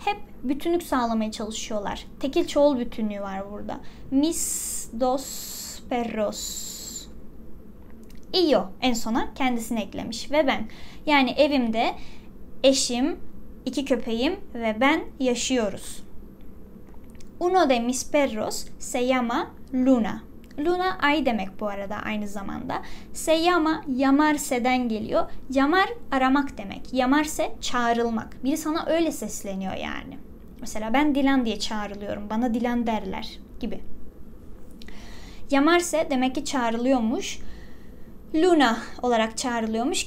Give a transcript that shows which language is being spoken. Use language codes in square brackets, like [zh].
[tr] Hep bütünlük sağlamaya çalışıyorlar. Tekil çoğul bütünlüğü var burada. [es] Mis dos perros. [tr] İyo en sona kendisini eklemiş. Ve ben. Yani evimde eşim, İki köpeğim ve ben yaşıyoruz. [es] Uno de mis perros se llama Luna. [tr] Luna ay demek bu arada aynı zamanda. Se llama llamarse'den geliyor. Llamar aramak demek. Llamarse çağrılmak. Biri sana öyle sesleniyor yani. Mesela ben Dilan diye çağrılıyorum. Bana Dilan derler gibi. Llamarse demek ki çağrılıyormuş. Luna olarak çağrılıyormuş.